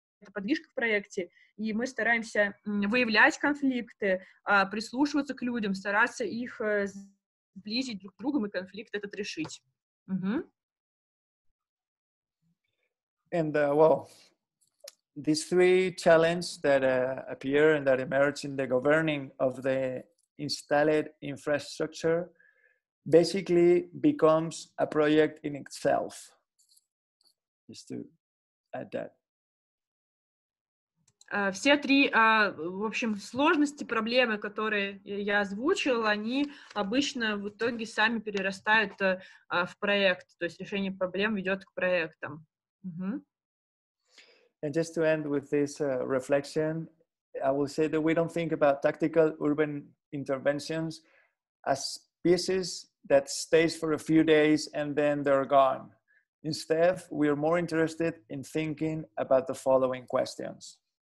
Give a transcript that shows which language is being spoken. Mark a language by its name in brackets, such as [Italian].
[Russian] подвижка в проекте, и мы стараемся выявлять конфликты, прислушиваться к людям, стараться их сблизить друг с другом и конфликт этот решить. [English] And well, these three challenges that appear and that emerge in the governing of the installed infrastructure basically becomes a project in itself. Just to add that. [Russian] Все три, в общем, сложности, проблемы, которые я озвучил, они обычно в итоге сами перерастают в проект, то есть решение проблем ведет к проектам. [English] And just to end with this reflection, I will say that we don't think about tactical urban interventions as pieces that stays for a few days and then they're gone. Instead, we are more interested in thinking about the following questions.